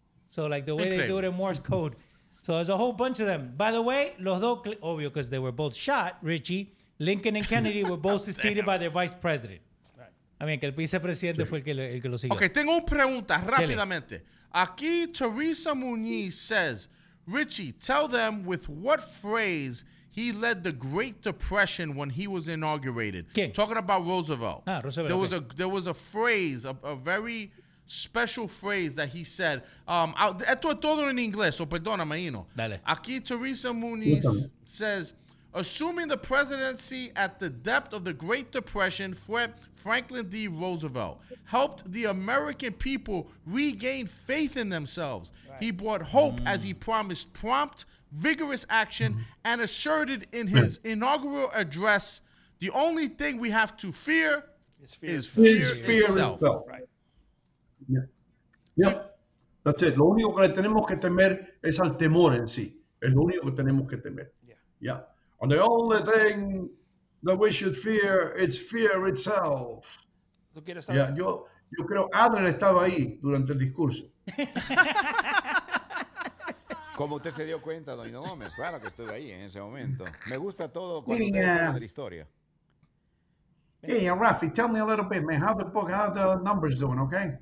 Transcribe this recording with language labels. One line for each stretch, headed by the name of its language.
English: So, like the way they do it in Morse code. So, there's a whole bunch of them. By the way,
Spanish: los dos, obvio,
English: because they were both shot, Richie, Lincoln and Kennedy were both succeeded by their vice president. Right. I mean,
Spanish: que el vicepresidente fue el que lo siguió. Okay, tengo una pregunta rápidamente. Aquí,
English: Teresa Muñiz says, Richie, tell them with what phrase he led the Great Depression when he was inaugurated.
Spanish: ¿Quién?
English: Talking about Roosevelt. Ah, Roosevelt. There was a phrase, a very special phrase that he said.
Spanish: Esto es todo en inglés, so perdóname, Hino. Dale.
English: Aquí Teresa Muñiz says, assuming the presidency at the depth of the Great Depression, Franklin D. Roosevelt helped the American people regain faith in themselves. Right. He brought hope as he promised prompt, vigorous action and asserted in his inaugural address, the only thing we have to fear is fear itself. Fear itself. Yeah. So, that's it.
Spanish: Lo único que tenemos que temer es al temor en sí. Es lo único que tenemos que temer.
English: Yeah. Yeah. And the only thing that we should fear is fear itself.
Spanish: ¿Tú quieres saber? Yeah, yo creo Adler estaba ahí durante el discurso. ¿Cómo usted se dio cuenta, Don Hino Gómez? Claro que estuve ahí en ese momento. Me gusta todo cuando usted habla de la historia.
English: Hey, Rafi, tell me a little bit, man. How the book, how the numbers doing, okay?